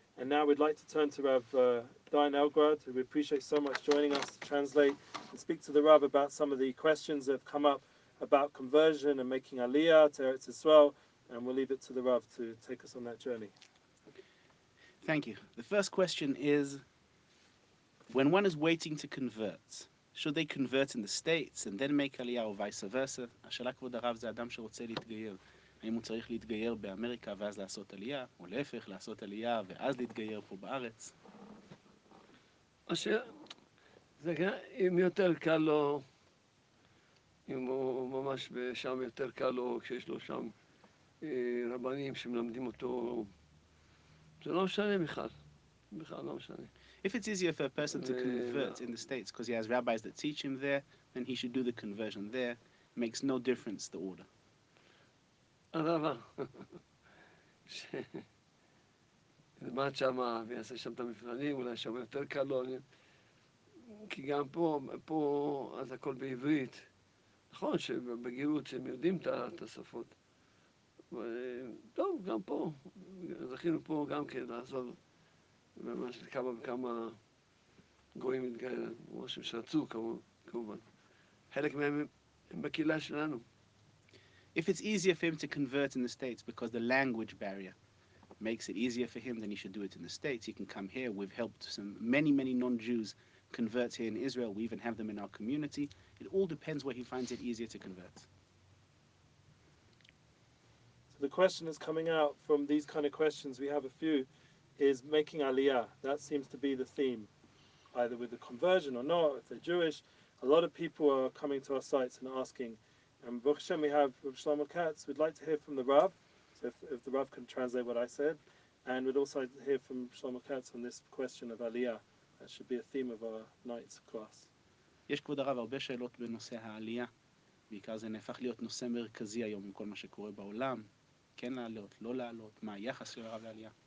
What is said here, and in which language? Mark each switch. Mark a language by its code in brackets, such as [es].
[en] And now we'd like to turn to Rav Dayan Elgrad, who we appreciate so much joining us to translate and speak to the Rav about some of the questions that have come up about conversion and making Aliyah to Eretz Yisrael, and we'll leave it to the Rav to take us on that journey. Thank you. The first question is, when one is waiting to convert, should they convert in the States and then make Aliyah or vice versa? [he] השאלה כבוד הרב זה אדם שרוצה להתגייר. האם הוא צריך להתגייר באמריקה ואז לעשות עלייה, או להפך, לעשות עלייה ואז להתגייר פה בארץ? אשר, זה, אם יותר קל לו, אם הוא ממש שם יותר קל לו, כשיש לו שם רבנים שמלמדים אותו, זה לא משנה בכלל לא משנה. [en] If it's easier for a person to convert in the States, because he has rabbis that teach him there, then he should do the conversion there. It makes no difference, the order. [he] הרבה, שלמד שמה ויעשה שם את המבחנים, אולי שם יותר קל לו, כי גם פה אז הכל בעברית. נכון שבגירות שהם יודעים את השפות. טוב, גם פה, זכינו פה גם כן לעזור ממש כמה וכמה גויים התגיירו, משהו שרצו כמובן. חלק מהם הם בקהילה שלנו. [en] If it's easier for him to convert in the States because the language barrier makes it easier for him, then he should do it in the States. He can come here. We've helped many non-Jews convert here in Israel. We even have them in our community. It all depends where he finds it easier to convert. So the question is coming out from these kind of questions. We have a few. Is making Aliyah. That seems to be the theme, either with the conversion or not, if they're Jewish. A lot of people are coming to our sites and asking, and Baruch Hashem, we have Rav Shlomo Katz. We'd like to hear from the Rav, so if the Rav can translate what I said. And we'd also hear from Shlomo Katz on this question of Aliyah. That should be a theme of our night's class. [he] יש כבוד הרב הרבה שאלות בנושא העלייה, בעיקר זה נהפך להיות נושא מרכזי היום עם כל מה שקורה בעולם. כן לעלות, לא לעלות, מה היחס של הרב לעלייה?